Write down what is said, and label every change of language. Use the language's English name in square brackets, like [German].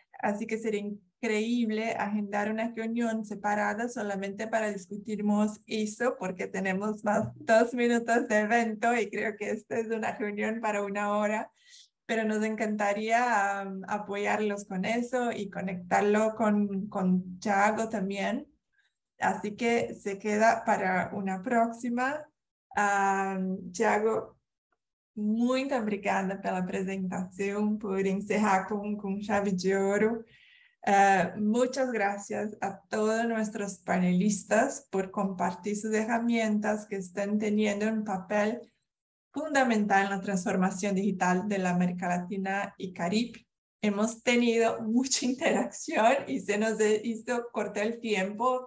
[Spanish] Así que sería increíble agendar una reunión separada solamente para discutirmos eso, porque tenemos más 2 minutos de evento y creo que esta es una reunión para 1 hora. pero nos encantaría apoyarlos con eso y conectarlo con Thiago también. Así que se queda para una próxima. [Portuguese] Thiago, muito obrigada pela apresentação, por encerrar com chave de ouro. [Spanish] Muchas gracias a todos nuestros panelistas por compartir sus herramientas que están teniendo un papel fundamental en la transformación digital de la América Latina y Caribe. Hemos tenido mucha interacción y se nos hizo corto el tiempo.